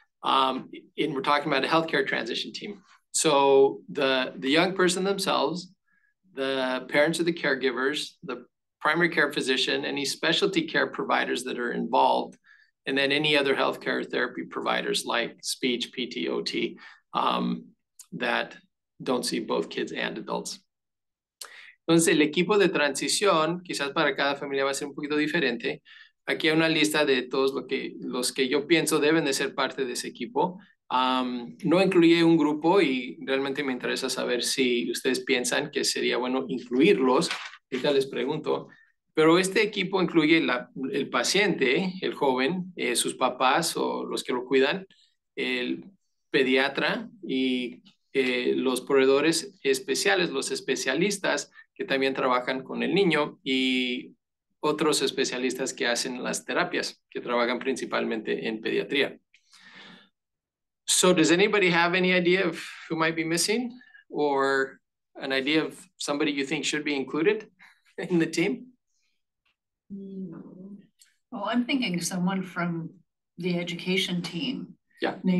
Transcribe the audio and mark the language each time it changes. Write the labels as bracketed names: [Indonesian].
[English] And we're talking about a healthcare transition team. So the young person themselves, the parents or the caregivers, the primary care physician, any specialty care providers that are involved, and then any other healthcare therapy providers like speech, PT, OT, that don't see both kids and adults. [Spanish] Entonces, el equipo de transición, quizás para cada familia va a ser un poquito diferente. Aquí hay una lista de todos los que yo pienso deben de ser parte de ese equipo. No incluye un grupo y realmente me interesa saber si ustedes piensan que sería bueno incluirlos, ahorita les pregunto, pero este equipo incluye el paciente, el joven, sus papás o los que lo cuidan, el pediatra y los proveedores especiales, los especialistas que también trabajan con el niño y otros especialistas que hacen las terapias, que trabajan principalmente en pediatría. [English] So does anybody have any idea of who might be missing or an idea of somebody you think should be included in the team? Well, I'm thinking someone from the education team. Yeah.